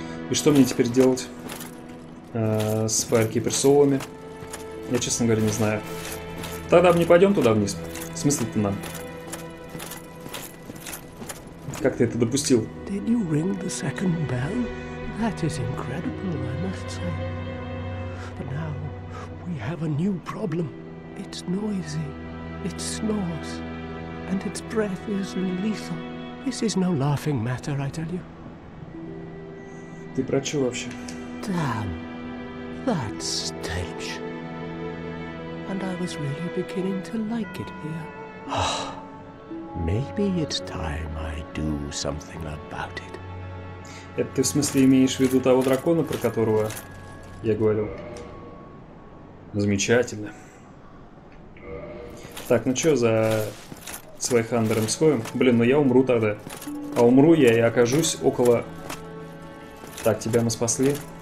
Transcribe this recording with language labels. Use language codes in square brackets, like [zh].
[ru] И что мне теперь делать с фаеркипер-соулами? Я, честно говоря, не знаю. Тогда мы не пойдем туда вниз. Смысл это нам? Как ты это допустил? [en] Did you ring the second bell? That is incredible, I must say. But now we have a new problem. It's noisy. It snores. And its breath is lethal. This is no laughing matter, I tell you. [ru] Ты про что вообще? [en] Damn. That stench. And I was really beginning to like it here. Maybe it's time I do something about it. [ru] Это ты в смысле имеешь в виду того дракона, про которого я говорил? Замечательно. Так, ну что за Слайхандером сходим? Блин, ну я умру тогда. А умру я и окажусь около... Так, тебя мы спасли.